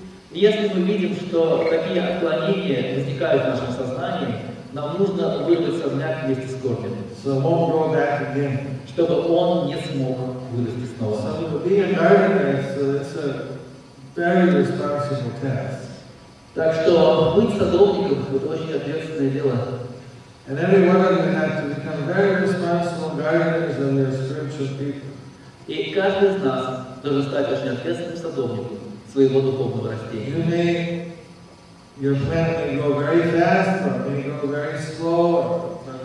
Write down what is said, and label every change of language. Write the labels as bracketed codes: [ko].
[ru] Если мы видим, что такие отклонения возникают в нашем сознании, нам нужно вырвать сорняк вместе с корнем. [en] So it won't grow back again. [ru] Чтобы он не смог вырасти снова. [en] So being a gardener, it's a very responsible task. [ru] Так что быть садовником – это очень ответственное дело. [en] And every one of them have to become very responsible gardeners and their spiritual people. [ru] И каждый из нас должен стать очень ответственным садовником своего духовного растения. [en] You may, your plant may grow very fast, or may grow very slow.